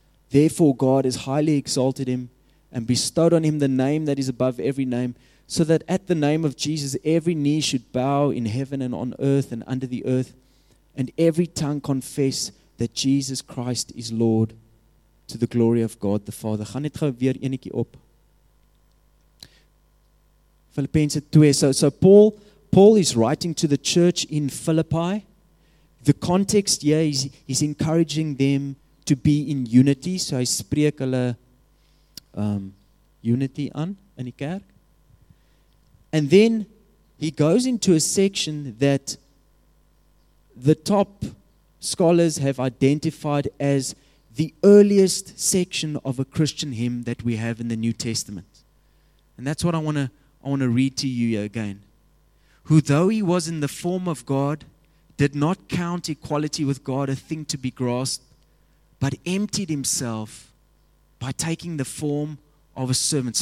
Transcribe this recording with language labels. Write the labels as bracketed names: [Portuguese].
[English] Therefore, God has highly exalted him and bestowed on him the name that is above every name, so that at the name of Jesus, every knee should bow in heaven and on earth and under the earth, and every tongue confess that Jesus Christ is Lord, to the glory of God the Father. [Afrikaans] Gaan net gou weer enetjie op. [English] Philippians 2. So Paul is writing to the church in Philippi. The context here is he's encouraging them to be in unity. [Afrikaans] So hy spreek hulle unity aan in die kerk. [English] And then he goes into a section that the top scholars have identified as the earliest section of a Christian hymn that we have in the New Testament. And that's what I want to read to you again. Who though he was in the form of God, did not count equality with God a thing to be grasped, but emptied himself by taking the form of a servant.